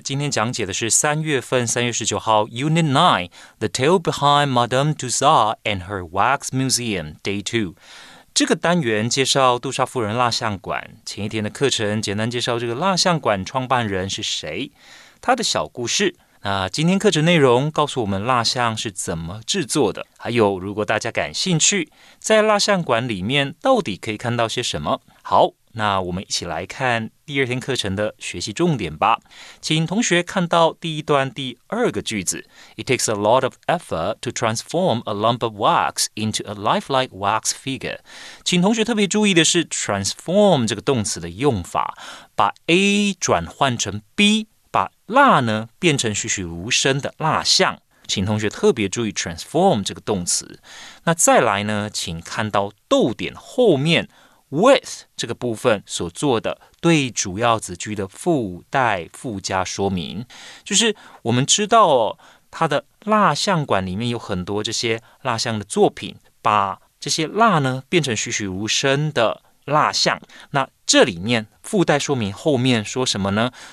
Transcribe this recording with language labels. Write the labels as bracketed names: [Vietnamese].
[Chinese] 今天讲解的是3月19号 [English] Unit 9, The Tale Behind Madame Tussauds and Her Wax Museum, Day 2. [Chinese] 这个单元介绍杜莎夫人蜡像馆，前一天的课程简单介绍这个蜡像馆创办人是谁，他的小故事。那今天课程内容告诉我们蜡像是怎么制作的，还有如果大家感兴趣，在蜡像馆里面到底可以看到些什么。好，那我们一起来看第二天课程的学习重点吧。请同学看到第一段第二个句子， [English] It takes a lot of effort to transform a lump of wax into a lifelike wax figure. [Chinese] 请同学特别注意的是 transform 这个动词的用法，把 A 转换成 B 把蜡呢变成栩栩如生的蜡像，请同学特别注意 transform 这个动词。那再来呢，请看到逗点后面 with 这个部分所做的对主要子句的附带附加说明，就是我们知道哦，它的蜡像馆里面有很多这些蜡像的作品，把这些蜡呢变成栩栩如生的蜡像，那这里面附带说明后面说什么呢？